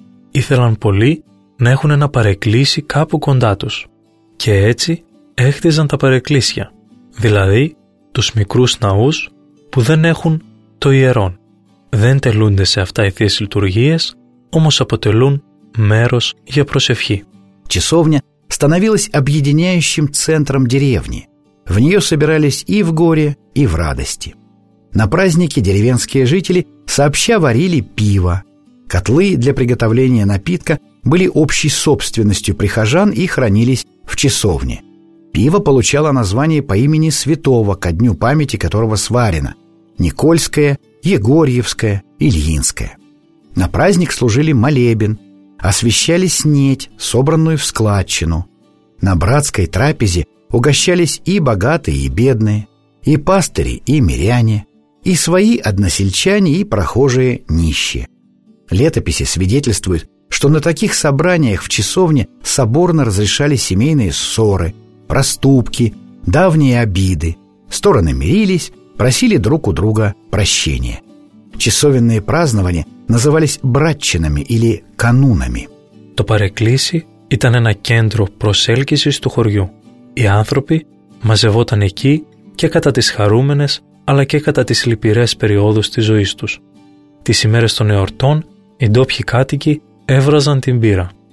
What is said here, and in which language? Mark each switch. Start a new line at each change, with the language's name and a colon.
Greek: Ήθελαν πολύ να έχουν ένα παρεκκλήσι κάπου κοντά τους και έτσι έχτιζαν τα παρεκκλήσια, δηλαδή τους μικρούς ναούς που δεν έχουν το ιερόν. δεν τελούνται σε αυτά οι θείες λειτουργίες, όμως αποτελούν μέρος για προσευχή.
Russian: Часовня становилась объединяющим центром деревни. В нее собирались и в горе, и в радости. На праздники деревенские жители сообща варили пиво. Котлы для приготовления напитка были общей собственностью прихожан и хранились в часовне. Пиво получало название по имени святого, ко дню памяти которого сварено – Никольское, Егорьевское, Ильинское. На праздник служили молебен, освящались нить, собранную в складчину. На братской трапезе угощались и богатые, и бедные, и пастыри, и миряне, и свои односельчане, и прохожие нищие. Летописи свидетельствуют, что на таких собраниях в часовне соборно разрешали семейные ссоры, проступки, давние обиды. Стороны мирились, просили друг у друга прощения. Часовенные празднования назывались братчинами или канунами.
Greek: То Параклиси ήταν ένα κέντρο προσέλκυσης του χωριού. Οι άνθρωποι μαζευόταν εκεί και κατά τις χαρούμενες αλλά και κατά τις λυπηρές περιόδους της ζωής τους. Τις ημέρες των εορτών οι ντόπιοι κάτοικοι έβραζαν την πύρα.